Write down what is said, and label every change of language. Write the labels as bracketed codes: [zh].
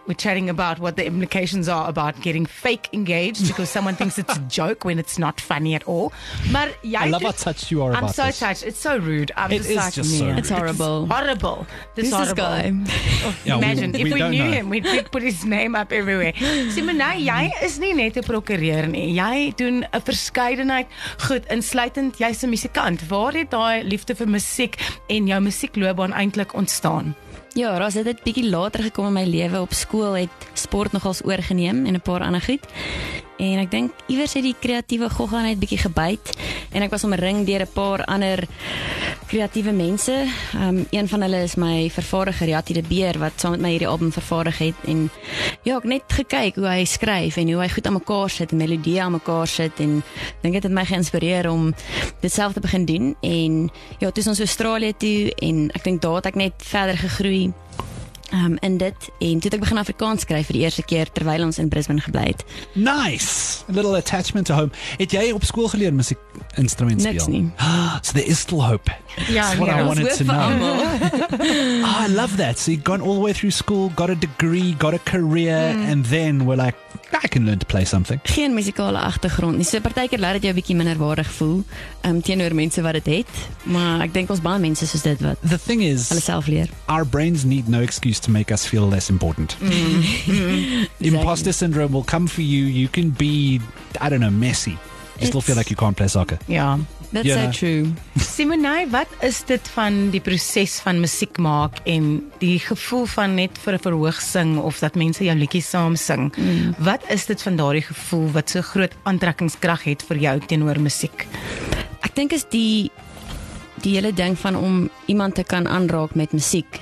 [en] We're chatting about what the implications are about getting fake engaged because someone thinks it's a joke when it's not funny at all. But yeah, I love how touched you are about this. I'm so touched. It's so rude. It is just so rude. It's horrible. It's horrible. This guy. Imagine, yeah, if we knew him, we'd put his name up everywhere. [af] Simone, jy is nie net 'n prokureur nie. Jy doen 'n verskeidenheid goed, insluitend jy's 'n musikant. Waar het daai liefde vir musiek en jou musiekloopbaan eintlik ontstaan? Ja, Ros, het dit bietjie later gekom in my lewe. Op skool het sport nogals oorgeneem en 'n paar ander goed. En ek dink iewers het die kreatiewe gogganheid bietjie gebyt en ek was omring deur 'n paar ander kreatiewe mense. Een van hulle is my vervaardiger Jatie de Beer wat saam met my hierdie album vervaardig het en ja, ek net gekyk hoe hy skryf en hoe hy goed aan mekaar sit, melodieë aan mekaar sit en dink dit het my geïnspireer om dit self te begin doen en ja, toe is ons Australië toe en ek dink daar het ek net verder gegroei. In dit, en toe het ek begin Afrikaans skryf vir die eerste keer terwyl ons in Brisbane gebly het. [en] Nice! A little attachment to home. [af] Het jy op skool geleer musiek instrument speel? Niks nie. [en] So there is still hope. That's what I wanted to know. I love that. So you've gone all the way through school, got a degree, got a career, and then we're like, I can learn to play something. [af] Geen musikale agtergrond nie. So partykeer laat dit jou 'n bietjie minderwaardig voel teenoor mense wat dit het. Maar ek dink ons baie mense soos dit wat [en] the thing is, [af] hulle self leer. [en] Our brains need no excuse to make us feel less important. Exactly. Imposter syndrome will come for you. You can be, I don't know, messy. You still feel like you can't play soccer. Yeah, that's yeah, so true. [af] Simone, wat is dit van die proses van musiek maak en die gevoel van net vir 'n verhoog sing of dat mense jou liedjie saam sing? Wat is dit van daardie gevoel wat so groot aantrekkingskrag het vir jou teenoor musiek? Ek dink is die hele ding van om iemand te kan aanraak met musiek.